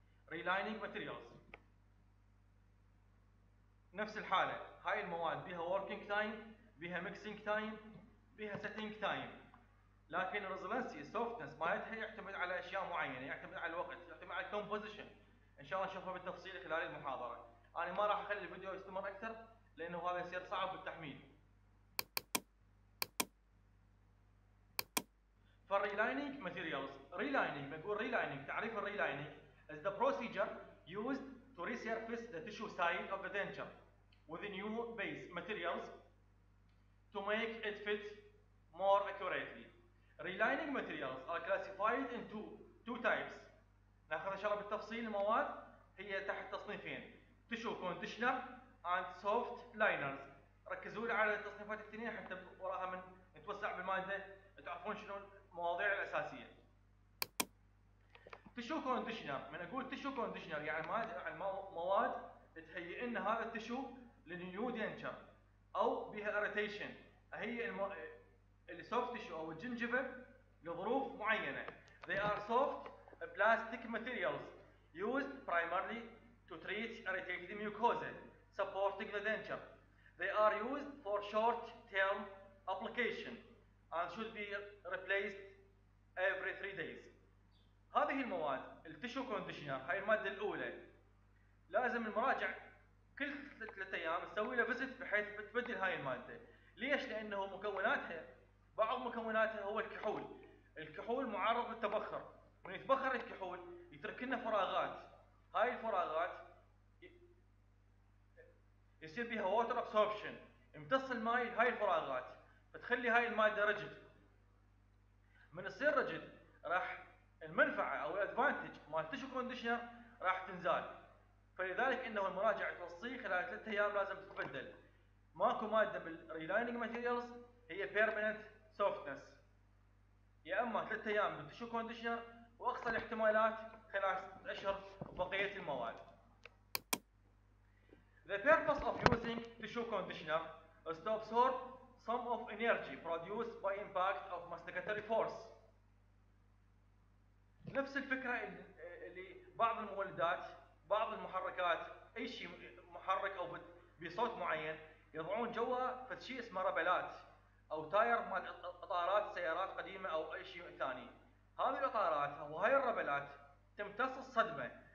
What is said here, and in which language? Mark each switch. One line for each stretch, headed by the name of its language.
Arabic: ريلايننج ماتيريالز نفس الحاله، هاي المواد بها وركينج تايم، بها ميكسينج تايم، بها سيتينج تايم، لكن الريزلنسي السوفتنس مالتها يعتمد على اشياء معينه، يعتمد على الوقت، يعتمد على الكومبوزيشن. ان شاء الله نشوفها بالتفصيل خلال المحاضره. انا ما راح اخلي الفيديو يستمر اكثر لانه هذا يصير صعب بالتحميل. فالريلايننج ماتيريالز، ريلايننج بقول ريلايننج، تعريف الريلايننج
English: is the procedure used to resurface the tissue side of the denture with new base materials to make it fit more accurately. Relining materials are classified into two types.
Arabic: ناخذ ان شاء الله بالتفصيل المواد هي تحت تصنيفين،
English: tissue conditioner and soft liners.
Arabic: ركزوا لي على التصنيفات الاثنين حتى وراها من نتوسع بالماده تعرفون شنو المواضيع الاساسيه. تشو كونديشنر، من اقول تشو كونديشنر يعني مواد تهيئ لنا هذا التشو للنيو دينشر او بها اريتيشن، هي السوفت تشو او الجنجيفا لظروف معينه.
English: They are soft plastic materials used primarily to treat irritated mucosa supporting the denture. They are used for short term application and should be replaced every 3 days.
Arabic: هذه المواد التشو كونديشنر، هاي الماده الاولى لازم المراجع كل 3 ايام تسوي له فيزيت بحيث تبدل هاي الماده. ليش؟ لانه مكوناتها بعض مكوناتها هو الكحول، الكحول معرض للتبخر، من يتبخر الكحول يترك لنا فراغات، هاي الفراغات يصير بها ووتر ابسوربشن، يمتص الماء هاي الفراغات فتخلي هاي الماده رجد. من تصير رجد راح المنفعة او الادفانتج مال التشو كونديشنر راح تنزال. فلذلك انه المراجع توصي خلال 3 ايام لازم تتبدل. ماكو مادة بالريلايننج ماتيريالز هي بيرمننت سوفتنس، يا اما 3 ايام بالتشو كونديشنر واقصى الاحتمالات خلال 6 اشهر بقية المواد.
English: The purpose of using tissue conditioner is to absorb some of energy produced by impact of masticatory force.
Arabic: نفس الفكره اللي بعض المولدات بعض المحركات اي شيء محرك او بصوت معين يضعون جوا فشيء اسمه ربلات او تاير مال اطارات سيارات قديمه او اي شيء ثاني. هذه الاطارات او هاي الربلات تمتص الصدمه.